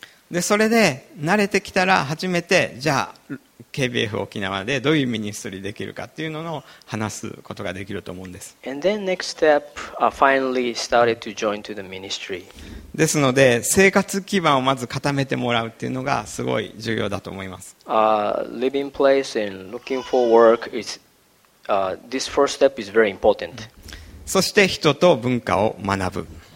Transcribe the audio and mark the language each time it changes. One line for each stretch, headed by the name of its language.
Japanese: で、それで慣れてきたら初めてじゃあ KBF 沖縄でどういうミニストリーできるかっていうのを話すことができると思うんです。
English: And then next step, finally started to join to the ministry.
Japanese: ですので生活基盤をまず固めてもらうっていうのがすごい重要だと思います。
English: Living place and looking for work is, this first step is very important.
Japanese: そして人と文化を学ぶ。